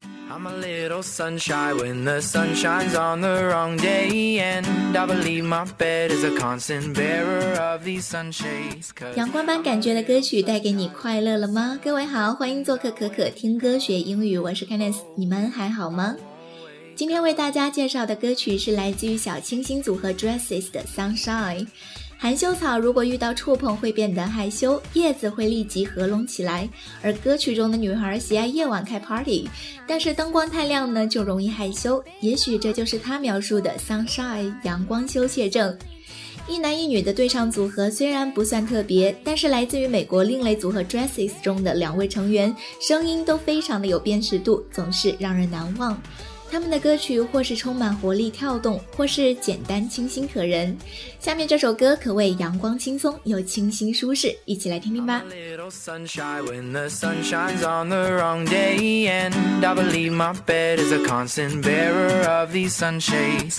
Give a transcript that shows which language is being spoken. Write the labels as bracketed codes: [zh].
[en] I'm a little sunshine when the sun shines on the wrong day, and I believe my bed is a constant bearer of these sunshades. [zh] 阳光般感觉的歌曲带给你快乐了吗？各位好，欢迎做客可可听歌学英语，我是 Candice， 你们还好吗？今天为大家介绍的歌曲是来自于小清新组合 Dresses 的 Sunshine。含羞草如果遇到触碰会变得害羞，叶子会立即合拢起来，而歌曲中的女孩喜爱夜晚开 party， 但是灯光太亮呢就容易害羞，也许这就是她描述的 sunshine 阳光羞怯症。一男一女的对唱组合虽然不算特别，但是来自于美国另类组合 Dresses 中的两位成员声音都非常的有辨识度，总是让人难忘。他们的歌曲或是充满活力跳动，或是简单清新可人。下面这首歌可谓阳光轻松又清新舒适，一起来听听吧。 [en] I'm a little sunshine when the sun shines on the wrong day, and I believe my bed is a constant bearer of these sunshades.